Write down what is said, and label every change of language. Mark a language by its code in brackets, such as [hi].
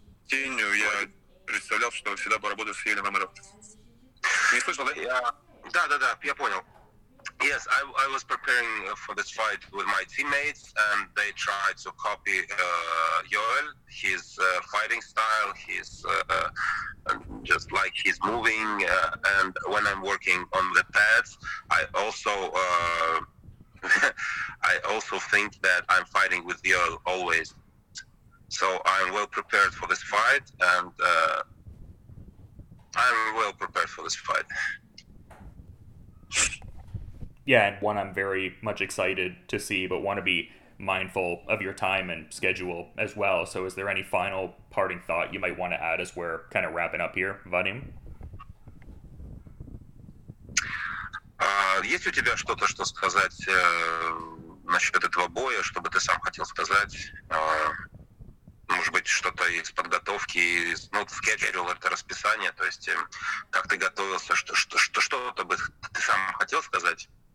[ru] Я представлял, что всегда поработаю с Юлией Ромеро. Не слышал, да? Да, я понял. [en] Yes, I was preparing for this fight with my teammates, and they tried to copy Joel, his fighting style, his just like he's moving. And when I'm working on the pads, I also I also think that I'm fighting with Joel always. So I'm well prepared for this fight, and I'm well prepared for this fight. Yeah, and one I'm very much excited to see, but want to be mindful of your time and schedule as well. So is there any final parting thought you might want to add as we're kind of wrapping up here, Vadim? [ru] Есть у тебя что-то, что сказать насчет этого боя, что бы ты сам хотел сказать? Может быть, что-то из подготовки, ну, schedule, это расписание, то есть как ты готовился, что-то бы ты сам хотел сказать?